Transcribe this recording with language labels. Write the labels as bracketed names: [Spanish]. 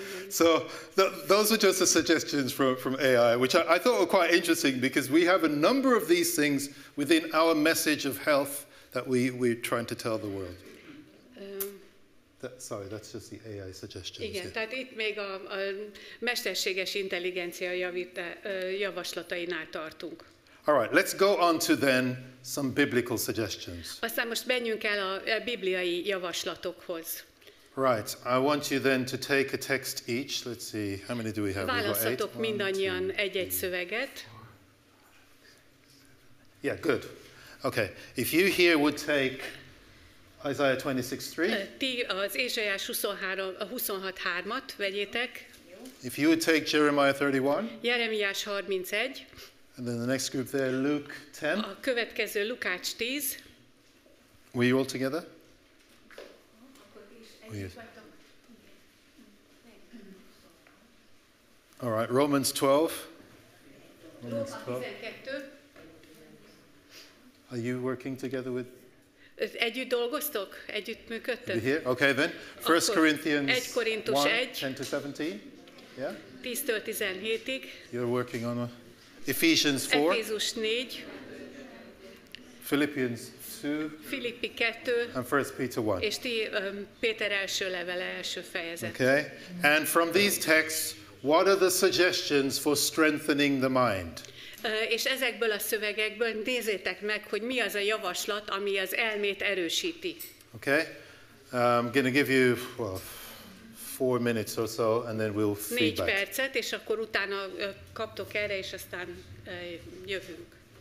[English] So those are just the suggestions from AI, which I thought were quite interesting because we have a number of these things within our message of health that we're trying to tell the world. That's just the AI suggestions. [Hungarian] Igen, tehát itt még a mesterséges intelligencia javaslatainál tartunk. [English] All right, let's go on to then some biblical suggestions. [Hungarian] Aztán most menjünk el a bibliai javaslatokhoz. [English] Right, I want you then to take a text each. Let's see, how many do we have? [Hungarian] Válaszatok mindannyian egy-egy szöveget. [English] Yeah, good. Okay, if you here would take Isaiah 26:3. [Hungarian] Ti az Ézsaiás 26:3-at vegyétek. [English] If you would take Jeremiah 31. [Hungarian] Jeremiás 31. [English] And then the next group there, Luke 10. [Hungarian] A következő Lukács 10. [English] Were you all together? All right, Romans 12. Romans 12. Are you working together with? [Hungarian] Együtt dolgoztok? Együtt működtök? [English] Okay then. 1 Corinthians 10-17. Yeah? 10-17. You're working on Ephesians 4. Ephesians 4. Philippians 2, [Hungarian] Filippi 2, [English] and 1 Peter 1. [Hungarian] És ti Péter első levele, első fejezet. [English] Okay. And from these texts, what are the suggestions for strengthening the mind? [Hungarian] És ezekből a szövegekből nézzétek meg, hogy mi az a javaslat, ami az elmét erősíti. [English] Okay. I'm going to give you four minutes or so, and then we'll feedback. [Hungarian] 4 percet, és akkor utána kaptok erre, és aztán jövünk.